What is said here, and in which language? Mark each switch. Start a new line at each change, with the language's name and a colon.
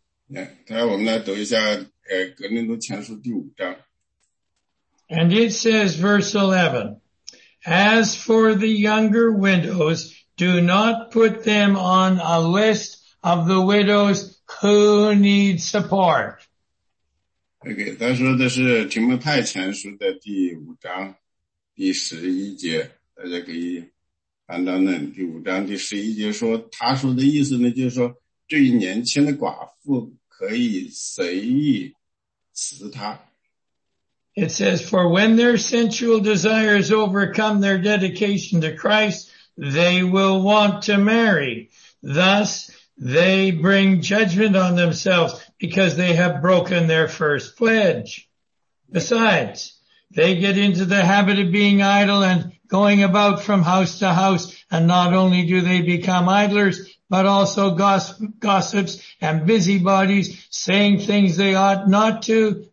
Chinese: Yeah, 我们来读一下格林多前书第五章。
English: And it says verse 11, as for the younger widows, do not put them on a list of the widows who need support.
Chinese: Okay, 他说的是提摩太前书的第五章第十一节，大家可以翻到那第五章第十一节说，他说的意思呢，就是说对于年轻的寡妇可以随意辞他。
English: It says, for when their sensual desires overcome their dedication to Christ, they will want to marry. Thus, they bring judgment on themselves because they have broken their first pledge. Besides, they get into the habit of being idle and going about from house to house, and not only do they become idlers, but also gossips and busybodies, saying things they ought not to.